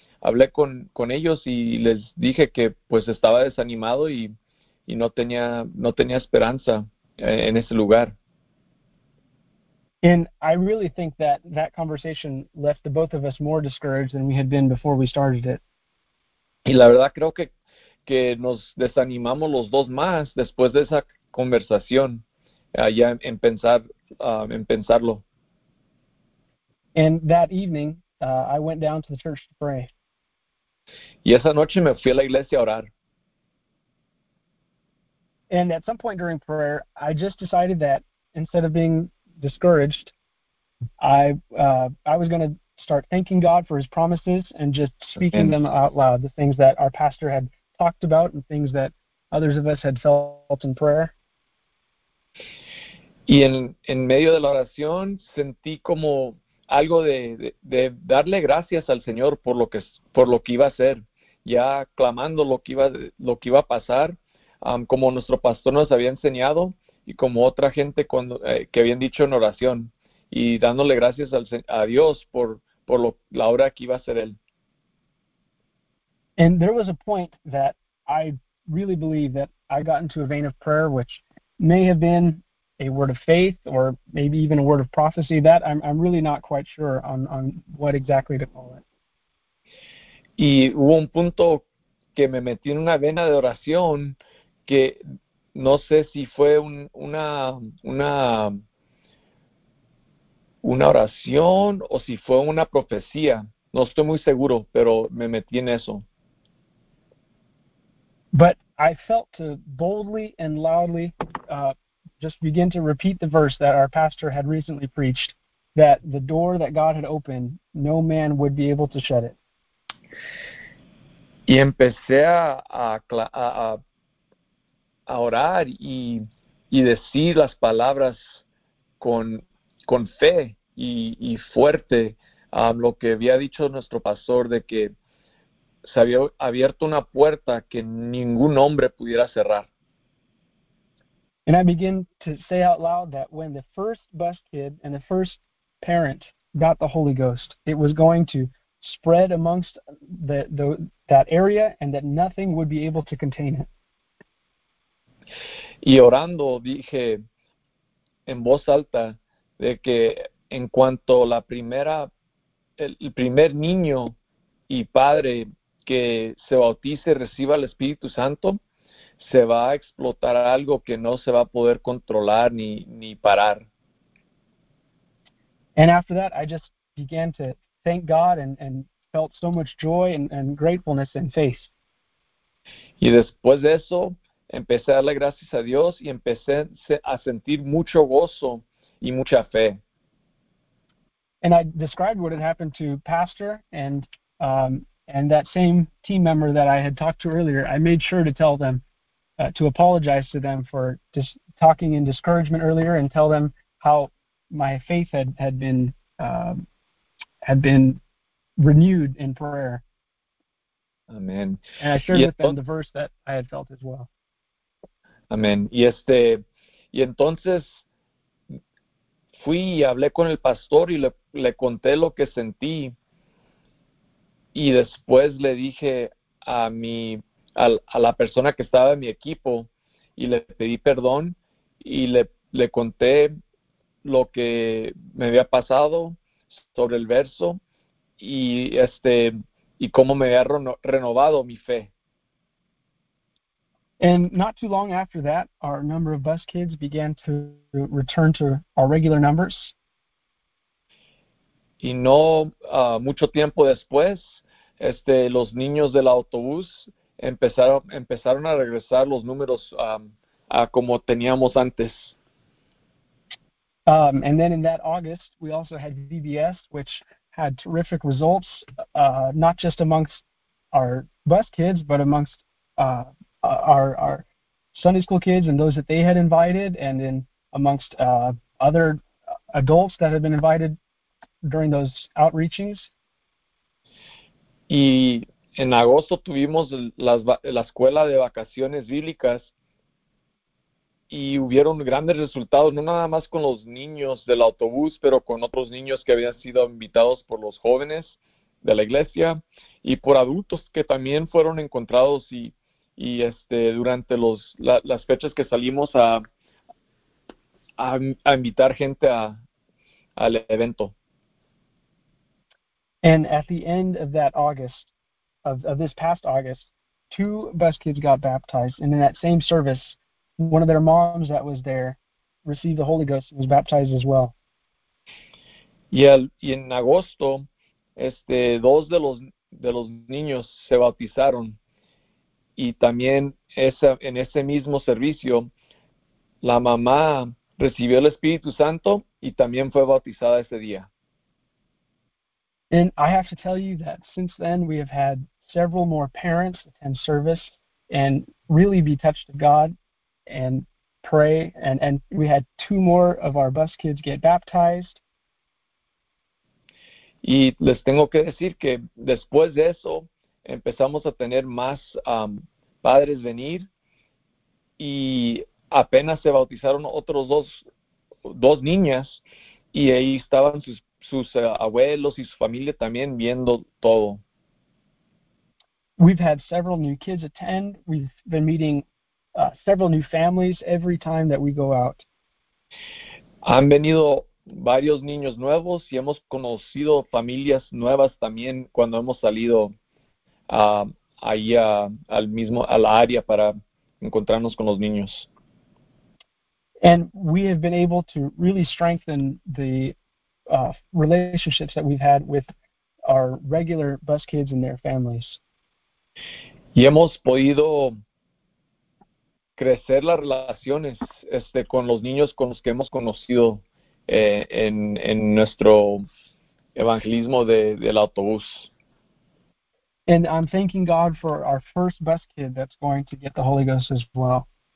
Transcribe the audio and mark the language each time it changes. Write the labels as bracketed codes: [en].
[es] Hablé con ellos y les dije que pues estaba desanimado y no tenía esperanza en ese lugar. [en] And I really think that conversation left the both of us more discouraged than we had been before we started it. [es] Y la verdad creo que nos desanimamos los dos más después de esa conversación allá en pensarlo. [en] And that evening, I went down to the church to pray. [es] Y esa noche me fui a la iglesia a orar. [en] And at some point during prayer, I just decided that instead of being discouraged, I was going to start thanking God for his promises and just speaking them out loud, the things that our pastor had talked about and things that others of us had felt in prayer. [es] Y en medio de la oración sentí como algo de darle gracias al Señor por lo que iba a hacer, ya clamando lo que iba a pasar, como nuestro pastor nos había enseñado y como otra gente que habían dicho en oración, y dándole gracias a Dios por la obra que iba a hacer él. [en] And there was a point that I really believe that I got into a vein of prayer, which may have been a word of faith or maybe even a word of prophecy. That I'm really not quite sure on what exactly to call it. [es] Y hubo un punto que me metí en una vena de oración que no sé si fue una oración o si fue una profecía. No estoy muy seguro, pero me metí en eso. [en] But I felt to boldly and loudly just begin to repeat the verse that our pastor had recently preached, that the door that God had opened, no man would be able to shut it. [es] Y empecé a orar y decir las palabras con fe y fuerte, lo que había dicho nuestro pastor, de que se había abierto una puerta que ningún hombre pudiera cerrar. [en] And I begin to say out loud that when the first bus kid and the first parent got the Holy Ghost, it was going to spread amongst that area and that nothing would be able to contain it. [es] Y orando dije en voz alta de que en cuanto la primera el primer niño y padre que se bautice y reciba el Espíritu Santo, se va a explotar algo que no se va a poder controlar ni parar. [en] And after that, I just began to thank God and felt so much joy and gratefulness and faith. [es] Y después de eso empecé a darle gracias a Dios y empecé a sentir mucho gozo y mucha fe. [en] And I described what had happened to Pastor and that same team member that I had talked to earlier. I made sure to tell them, to apologize to them for just talking in discouragement earlier and tell them how my faith had been renewed in prayer. [es] Amén. [en] And I shared [es] Y [en] with them the [es] entonces [en] verse that I had felt as well. [es] Amén. Y entonces fui y hablé con el pastor y le conté lo que sentí. Y después le dije a la persona que estaba en mi equipo y le pedí perdón y le conté lo que me había pasado sobre el verso y cómo me había renovado mi fe. [en] And not too long after that, our number of bus kids began to return to our regular numbers. [es] Y no mucho tiempo después, los niños del autobús empezaron a regresar los números a como teníamos antes. [en] And then in that August, we also had VBS, which had terrific results, not just amongst our bus kids, but amongst our Sunday school kids and those that they had invited, and then amongst other adults that had been invited during those outreachings. [es] Y en agosto tuvimos la escuela de vacaciones bíblicas y hubieron grandes resultados, no nada más con los niños del autobús, pero con otros niños que habían sido invitados por los jóvenes de la iglesia y por adultos que también fueron encontrados y durante las fechas que salimos a invitar gente al evento. [en] And at the end of that August, of this past August, two bus kids got baptized. And in that same service, one of their moms that was there received the Holy Ghost and was baptized as well. [es] Y en agosto, dos de los niños se bautizaron y también en ese mismo servicio, la mamá recibió el Espíritu Santo y también fue bautizada ese día. [en] And I have to tell you that since then we have had several more parents attend service and really be touched to God and pray. And we had two more of our bus kids get baptized. [es] Y les tengo que decir que después de eso empezamos a tener más padres venir y apenas se bautizaron otros dos niñas y ahí estaban sus abuelos y su familia también viendo todo. [en] We've had several new kids attend. We've been meeting several new families every time that we go out. [es] Han venido varios niños nuevos y hemos conocido familias nuevas también cuando hemos salido ahí al área para encontrarnos con los niños. [en] And we have been able to really strengthen the relationships that we've had with our regular bus kids and their families. [es] Y hemos podido crecer las relaciones con los niños con los que hemos conocido en nuestro evangelismo del autobús. [en] And I'm thanking God for our first bus kid that's going to get the Holy Ghost as well.